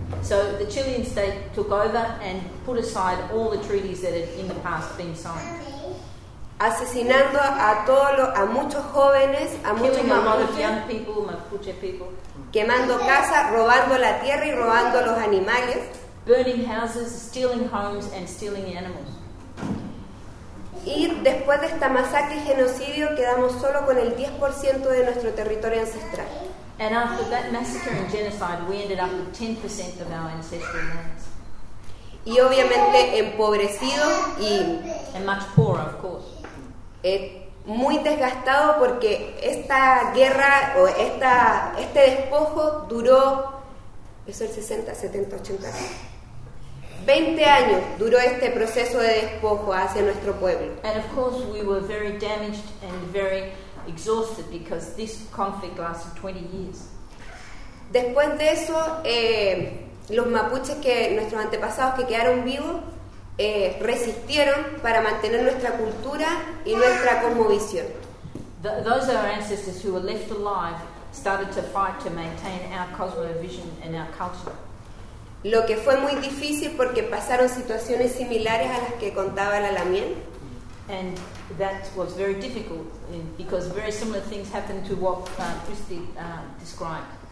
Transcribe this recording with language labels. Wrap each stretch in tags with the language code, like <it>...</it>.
<en>So the Chilean state took over and put aside all the treaties that had in the past been signed.</en> <es>Asesinando a todos los, a muchos jóvenes, a muchos</es> <en>mapuche people,</en> <es>quemando casas, robando la tierra y robando los animales.</es> <en>Burning houses, stealing homes and stealing the animals.</en> <es>Y después de esta masacre y genocidio quedamos solo con el 10% de nuestro territorio ancestral.</es> <en>And after that massacre and genocide, we ended up with 10% of our ancestral lands.</en> <es>Y obviamente empobrecido y</es> <en>and much poorer, of course.</en> <es>Muy desgastado porque esta guerra o esta, este despojo duró, eso es el 60, 70, 80, 20 años duró este proceso de despojo hacia nuestro pueblo.</es> <en>And of course we were very damaged and very exhausted because this conflict lasted 20 years.</en> <es>Después de eso, los mapuches, que nuestros antepasados que quedaron vivos, resistieron para mantener nuestra cultura y nuestra cosmovisión.</es> <en>Those of our ancestors who were left alive started to fight to maintain our cosmovision and our culture.</en> <es>Lo que fue muy difícil porque pasaron situaciones similares a las que contaba la Lamien.</es> <en>And that was very difficult because very similar things happened to what Christy described.</en>